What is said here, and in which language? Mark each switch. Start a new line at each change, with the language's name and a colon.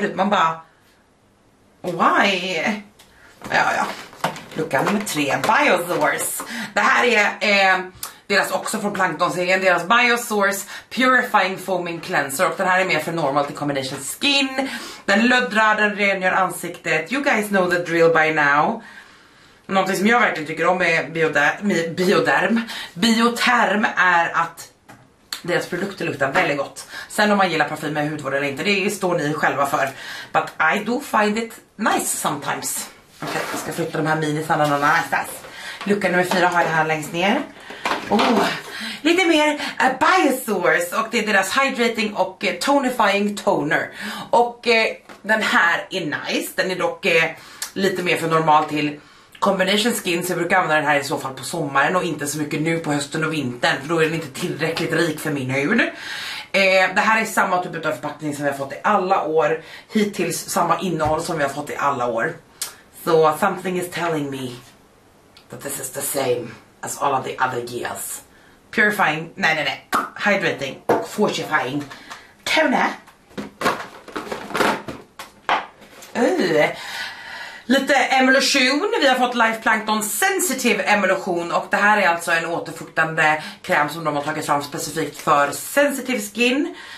Swedish: Typ. Man bara... Why? Ja. Lucka nummer 3, Biosource. Det här är deras också från Plankton-serien, deras Biosource Purifying Foaming Cleanser. Och den här är mer för normal till combination skin. Den löddrar, den rengör ansiktet.
English: You guys know the drill by now.
Swedish: Någonting som jag verkligen tycker om är Bioterm är att deras produkter luktar väldigt gott. Sen om man gillar parfym med hudvård eller inte, det står ni själva för.
English: But I do find it nice sometimes.
Swedish: Okej, jag ska flytta de här minisarna någon annanstans. Lucka nummer 4 har jag här längst ner. Oh, lite mer Biosource. Och det är deras Hydrating och Tonifying Toner. Och den här är nice. Den är dock lite mer för normal till combination skin, så jag brukar använda den här i så fall på sommaren och inte så mycket nu på hösten och vintern, för då är den inte tillräckligt rik för min hud. Det här är samma typ av förpackning som vi har fått i alla år. Hittills samma innehåll som vi har fått i alla år.
English: So something is telling me that this is the same as all of the other years.
Swedish: Purifying, nej. Hydrating och fortifying. Tone. Lite emulsion, vi har fått Life Plankton Sensitive Emulsion och det här är alltså en återfuktande kräm som de har tagit fram specifikt för sensitive skin.